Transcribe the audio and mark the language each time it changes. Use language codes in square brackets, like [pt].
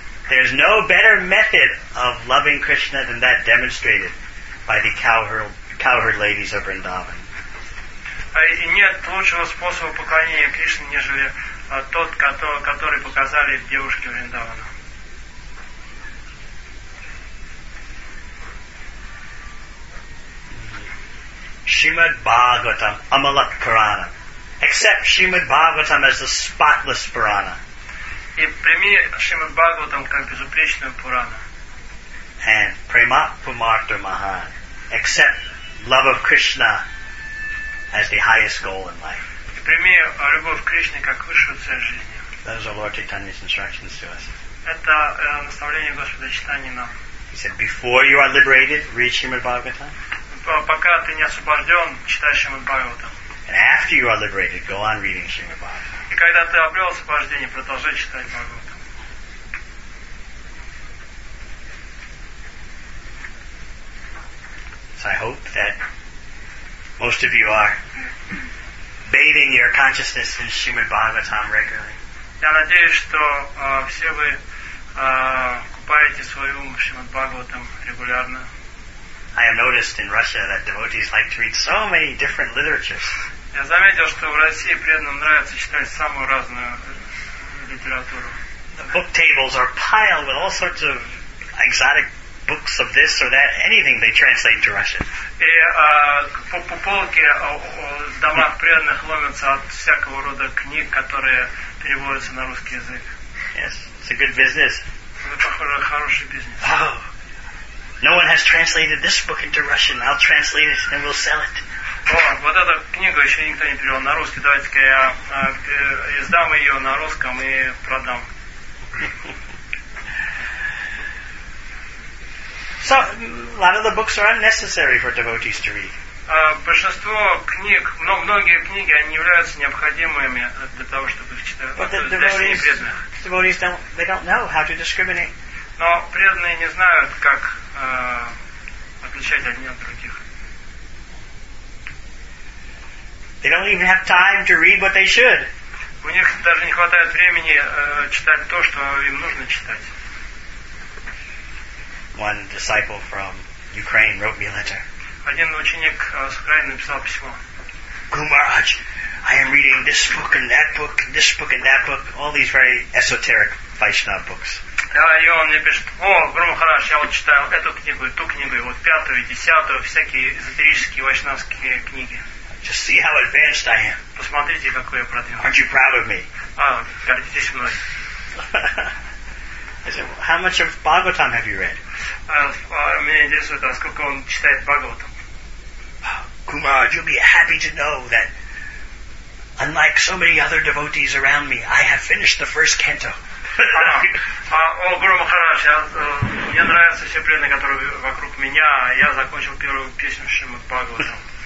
[en] There's no better method of loving Krishna than that demonstrated by the cowherd ladies of Vrindavan. [ru] И нет лучшего способа поклонения Кришне, нежели тот, который показали девушки Вриндавана. [sa] Шримад Бхагаватам Амалат Пурана. [en] Accept Шримад Бхагаватам as the spotless Purana. [ru] И прими Шримад Бхагаватам как безупречную Пурану. [sa] And Prema Pumartha Mahan. [en] Accept love of Krishna as the highest goal in life. [ru] Прими любовь к Кришне как высшую цель жизни. [en] Those are Lord Chaitanya's instructions to us. [ru] Это наставление Господа Читания нам. [en] He said, before you are liberated, read Shrimad Bhagavatam. [ru] Пока ты не освобожден, читай Shrimad Bhagavatam. [en] And after you are liberated, go on reading Shrimad Bhagavatam. [ru] И когда ты обрел освобождение, продолжай читать Бхагавату. [en] So I hope that most of you are bathing your consciousness in Shrimad Bhagavatam regularly. [ru] Я надеюсь, что все вы купаете свой ум в Шримад Бхагаватам регулярно. [en] I have noticed in Russia that devotees like to read so many different literatures. [ru] Я заметил, что в России преданным нравится читать самую разную литературу. [en] The book tables are piled with all sorts of exotic books of this or that, anything they translate to Russian. [ru] И по полке в домах преданных ломятся от всякого рода книг, которые переводятся на русский язык. [en] Yes, it's a good business. [ru] Это, похоже, хороший бизнес. [en] No one has translated this book into Russian. I'll translate it and we'll sell it. [ru] О, вот эту книгу еще никто не перевел на русский. Давайте-ка я издам ее на русском и продам. [en] So, a lot of the books are unnecessary for devotees to read. [ru] Большинство книг, но многие книги, они являются необходимыми для того, чтобы их читать. [en] But the devotees, they don't know how to discriminate. [ru] Но преданные не знают, как отличать одни от других. [en] They don't even have time to read what they should. [ru] У них даже не хватает времени читать то, что им нужно читать. [en] One disciple from Ukraine wrote me a letter. [ru] Один ученик с Украины написал письмо. [en] Guru Maharaj, I am reading this book and that book, and this book and that book, all these very esoteric Vaishnav books. [ru] И он мне пишет: о, Guru Maharaj, я вот читаю эту книгу, ту книгу, и вот пятую, и десятую, всякие эзотерические вайшнавские книги. [en] Just see how advanced I am. [ru] Посмотрите, какой я продвинутый. [en] Aren't you proud of me? [ru] А, гордитесь мной. [en] I said, well, how much of Bhagavatam have you read? [ru] Меня интересует, а сколько он читает Бхагаватам? [en] Kumar, you'll be happy to know that unlike so many other devotees around me, I have finished the first canto. [ru] О, Гуру Махарадж, мне нравятся все преданные, которые вокруг меня, а я закончил первую песню Шримад Бхагаватам.